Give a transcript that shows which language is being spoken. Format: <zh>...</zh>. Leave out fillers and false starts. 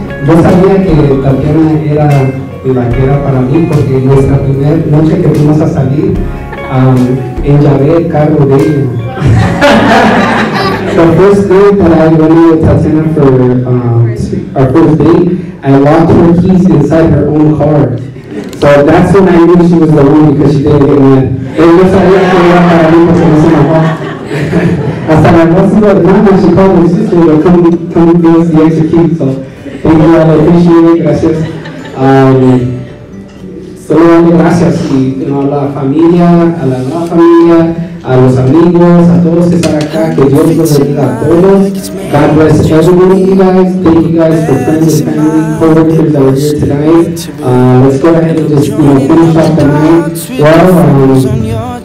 <es>Yo sabía que Tatiana era de la que era para mí, porque nuestra primera noche que fuimos a salir, enllavé el carro de ella.</es> <en>The first day that I went with Tatiana for our first date, I locked her keys inside her own car. So that's when I knew she was the one, because she didn't get mad.</en> <es>Pero yo sabía que era para mí, porque no se me fue. Hasta la próxima semana,</es> <en>she called my sister, but come give us the extra key. So, thank you all, I appreciate it, gracias.</en> <es>Solo darle gracias, y tengo a la familia, a la nueva familia, a los amigos, a todos que están acá, que Dios los bendiga a todos.</es> <en>God bless everyone of you guys. Thank you guys for friends and family, coworkers that are here tonight. Let's go ahead and just, you know, finish up the night.</en>